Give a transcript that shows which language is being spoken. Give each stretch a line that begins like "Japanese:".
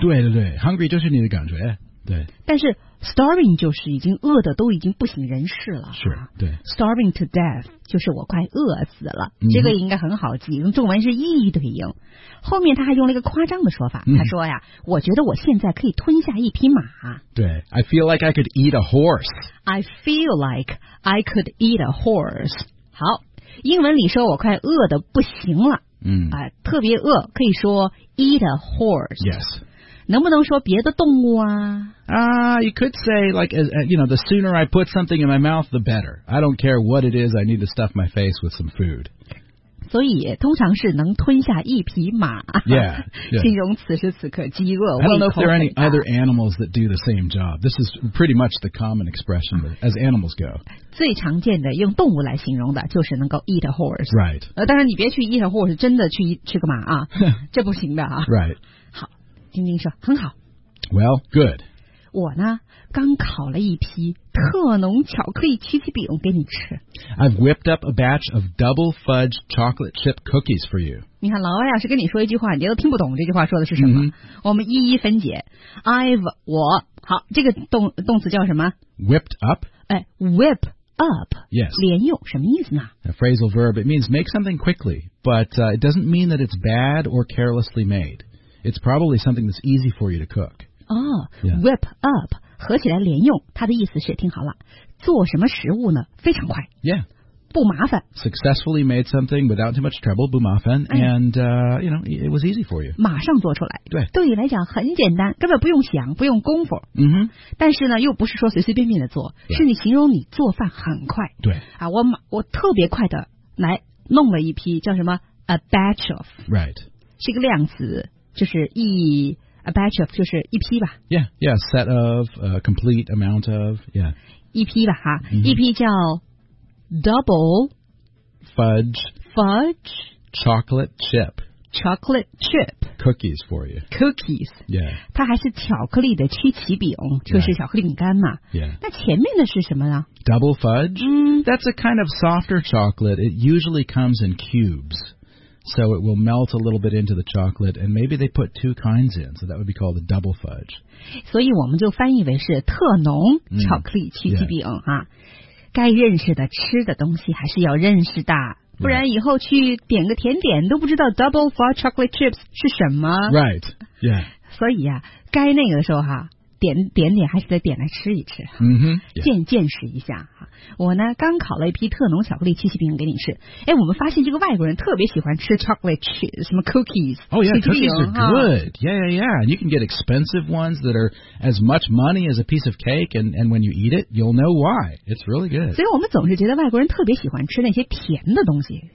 Chinese: 对对对 ，hungry 就是你的感觉，对。但是 starving 就是已经饿的都已经不省人事了，是，对。
English: starving to death
Chinese: 就是我快饿死了， mm-hmm. 这个应该很好记，用中文是一一对应。后面他还用了一个夸张的说法，他说呀， mm-hmm. 我觉得我现在可以吞下一匹马。
English: 对 ，I feel like I could eat a horse。 I feel like I could eat a horse.
Chinese: 好，英文里说我快饿得不行了。嗯，特别饿，可以说
English: eat a horse. Yes.
Chinese: 能不能说别的动物啊？
English: You could say like, you know, the sooner I put something in my mouth, the better. I don't care what it is. I need to stuff my face with some food.
Chinese: 所以通常是能吞下一匹马。 Yeah. 形容此时此刻饥饿。
English: I don't know if there are any other animals that do the same job. This is pretty much the common expression as animals go.
Chinese: 最常见的用动物来形容的就是能够
English: eat a horse. Right.
Chinese: 当然你别去
English: eat a horse,
Chinese: 真的去吃个马啊。这不行的啊。 Right. 好，晶晶说很好。
English: Well, good.
Chinese: 我呢刚烤了一批特浓巧克力曲奇饼给你吃。
English: I've whipped up a batch of double fudge chocolate chip cookies for you.
Chinese: 你看老外要是跟你说一句话，你都听不懂这句话说的是什么。 Mm-hmm. 我们一一分解。I've 我好，这个动词叫什么
English: ？Whipped up. Whip up. Yes.
Chinese: 连用什么意思呢
English: ？A phrasal verb. It means make something quickly, but it doesn't mean that it's bad or carelessly made. It's probably something that's easy for you to cook. Oh, yeah. Whip up.
Chinese: 合起来连用，它的意思是，听好了，做什么食物呢？非常快，Yeah，不麻烦。
English: Successfully made something without too much trouble，
Chinese: 不麻烦、，
English: and you know it was easy for you。
Chinese: 马上做出来，对，对你来讲很简单，根本不用想，不用功夫。嗯哼。但是呢，又不是说随随便便的做，是你形容你做饭很快。对。啊，我特别快的来弄了一批叫什么
English: a batch of， right，
Chinese: 是一个量词，就是一。
English: A batch of
Chinese: 就是一批吧。
English: Yeah, yeah, set of, complete amount of, yeah.
Chinese: 一批吧哈、mm-hmm. 一批叫
English: Fudge. Chocolate chip. Cookies for you. Cookies. Yeah.
Chinese: 它还是巧克力的曲奇饼，就是巧克力饼干嘛。 Yeah. 那前面的是什么呢
English: ?Double fudge?、 Mm. That's a kind of softer chocolate. It usually comes in cubes. So it will melt a little bit into the chocolate, and maybe they put two kinds in, so that would be called a double fudge.
Chinese: 所以我们就翻译为是特浓巧克力曲奇饼、 yeah. 啊。该认识的吃的东西还是要认识的，不然以后去点个甜点都不知道
English: double fudge chocolate chips
Chinese: 是什么。 Right. Yeah. 所以呀、啊，该那个的时候哈、啊。点还是得点来吃一吃、 mm-hmm. yeah. 见识一下。我呢刚烤了一批特浓巧克力曲奇饼给你吃，哎，我们发现这个外国人特别喜欢吃 chocolate 什么 cookies。
English: Oh yeah, cookies are good. Yeah, yeah, yeah. And you can get expensive ones that are as much money as a piece of cake, and when you eat it, you'll know why. It's really good.
Chinese: 所以我们总是觉得外国人特别喜欢吃那些甜的东西。